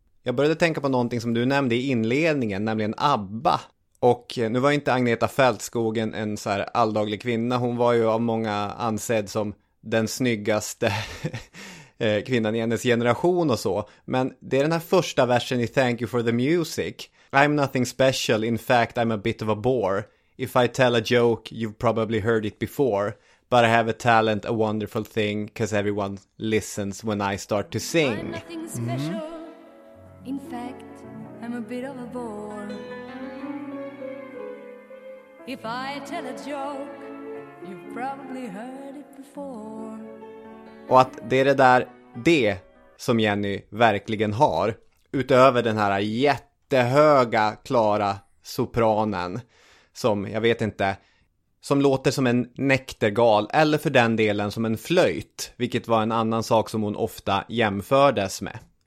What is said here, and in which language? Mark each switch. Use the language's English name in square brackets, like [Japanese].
[Swedish] Jag började tänka på någonting som du nämnde i inledningen, nämligen ABBA. Och nu var inte Agneta Fältskog en så här alldaglig kvinna. Hon var ju av många ansedd som den snyggaste kvinnan i hennes generation och så. Men det är den här första versen i Thank You for the Music. [English] I'm nothing special, in fact I'm a bit of a bore. If I tell a joke, you've probably heard it before. But I have a talent, a wonderful thing, because everyone listens when I start to sing. I'm nothing special. Mm-hmm. In fact, I'm a bit of a bore. If I tell a joke, you've probably heard it before. [Swedish] Och att det är det som Jenny verkligen har, utöver den här jättehöga, klara sopranen. Som, jag vet inte, som låter som en näktergal eller för den delen som en flöjt, vilket var en annan sak som hon ofta jämfördes med.